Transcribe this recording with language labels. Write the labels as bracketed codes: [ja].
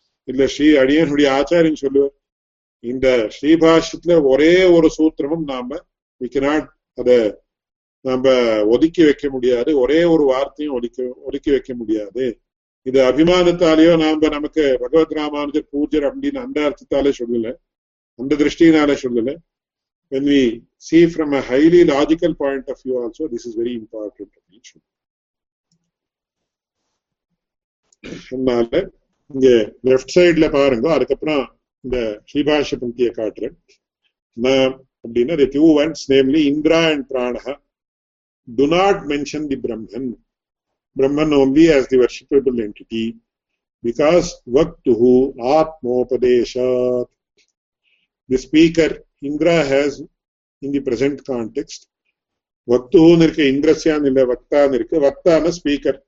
[ta] இல்ல ஸ்ரீ அடியனுடைய ஆச்சாரியம் சொல்லுவார், இந்த ஸ்ரீபாஷ்யத்துல ஒரே ஒரு சூத்திரமும் நாம [en] we cannot [ta] அத நாம ஒதுக்கி வைக்க முடியாது, ஒரே ஒரு வார்த்தையும் ஒதுக்கி வைக்க முடியாது. இது அபிமானத்தாலேயோ நாம நமக்கு பகவத் ராமானுஜர் பூஜர் அப்படின்னு அந்த அர்த்தத்தாலே சொல்லல, அந்த திருஷ்டினாலே சொல்லல. [en] When we see from a highly logical point of view also, this is very important. [ta] அதனால இங்க லெப்ட் சைட்ல பாருங்க, அதுக்கப்புறம் இந்த ஸ்ரீபாஷ்ய பங்கியை காட்டுறேன். [en] The two ones, namely Indra and Pranaha, do not mention the Brahman. Brahman only as the worshipable entity, because Vaktuhu Atmopadeshat. The speaker, Indra, has in the present context, Vaktuhu nirka Indrasya nila Vakta nirka, Vakta na speaker.